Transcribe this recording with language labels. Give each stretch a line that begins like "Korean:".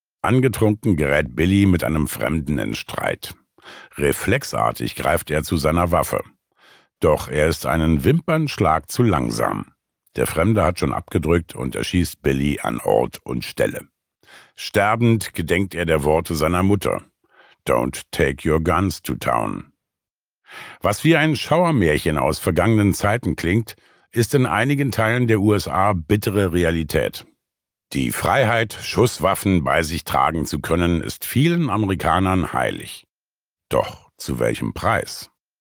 German: Angetrunken gerät Billy mit einem Fremden in Streit. Reflexartig greift er zu seiner Waffe. Doch er ist einen Wimpernschlag zu langsam. Der Fremde hat schon abgedrückt und erschießt Billy an Ort und Stelle. Sterbend gedenkt er der Worte seiner Mutter.
English: Don't take your guns to town.
German: Was wie ein Schauermärchen aus vergangenen Zeiten klingt, ist in einigen Teilen der USA bittere Realität. Die Freiheit, Schusswaffen bei sich tragen zu können, ist vielen Amerikanern heilig. Doch zu welchem Preis?